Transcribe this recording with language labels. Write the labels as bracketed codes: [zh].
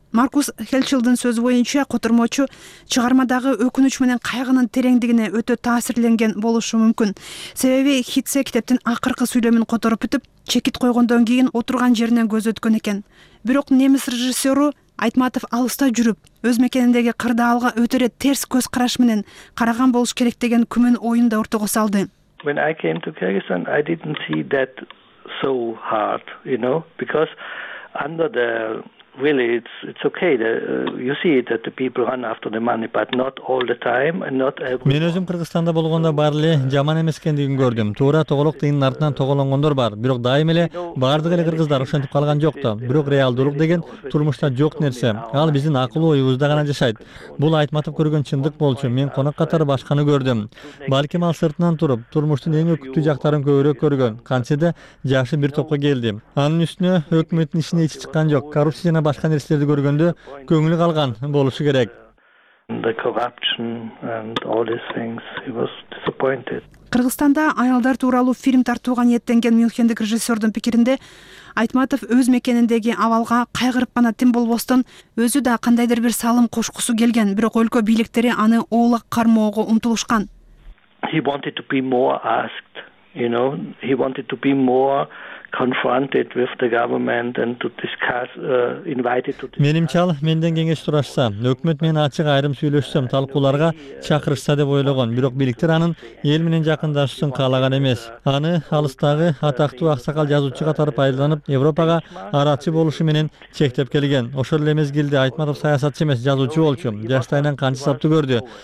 [ky] Маркус Хелчилдин сөзү боюнча котормочу чыгармадагы өкүнүч менен кайгынын тереңдигине өтө таасирленген болушу мүмкүн. Себеби Хитце китептин акыркы сүйлөмүн которуп бүтүп, чекит койгондон кийин отурган жеринен көз өткөн экен. Бирок немис режиссёру Айтматов алыста жүрүп, өз мекениндеги кырдаалга өтөрө терс көз караш менен караган болуш керек деген күмөн оюн да ортого салды. [en] When I came to Kyrgyzstan, I didn't see that so hard, you know, because under the really it's okay that you see it that the people run after the money, but not all the time and not every. [ky] Мен өзүм Кыргызстанда болгондо баары эле жаман эмес экендигин көрдүм. Туура тоголок дейин артынан тоголонгондор бар, бирок дайым эле бардык эле кыргыздар ошентип калган жок да. Бирок реалдуулук деген турмушта жок нерсе, ал биздин акыл оюбузда гана жашайт. Бул Айтматов көргөн чындык болчу. Мен конок катары башканы көрдүм. Балким ал сыртынан туруп турмуштун эң өкүттүү жактарын көбүрөөк көргөн, кантсе да жакшы бир топко келди. Анын үстүнө өкмөттүн ишине ичи чыккан жок, коррупция жана башка нерселерди көргөндө көңүл калган болушу керек. Кыргызстанда аялдар тууралуу фильм тартууга ниеттенген мюнхендик режиссёрдун пикиринде Айтматов өз мекениндеги абалга кайгырып гана тим болбостон өзү да кандайдыр бир салым кошкусу келген, бирок өлкө бийликтери аны оолак кармоого умтулушкан. [en] He wanted to be more asked, you know, he wanted to be more confronted with the government and to discuss invited to. [ky] Менимче ал менден кеңеш сурашса, өкмөт менен ачык айрым сүйлөшсөм, талкууларга чакырышса деп ойлогон. Бирок бийликтер анын эл менен жакындашуусун каалаган эмес. Аны алыстагы атактуу аксакал жазуучу катары пайдаланып, Европага аратчы болушу менен чектеп келген. Ошол эле мезгилде Айтматов саясатчы эмес, жазуучу болчу. Жаштайынан канчы сапты көрдү.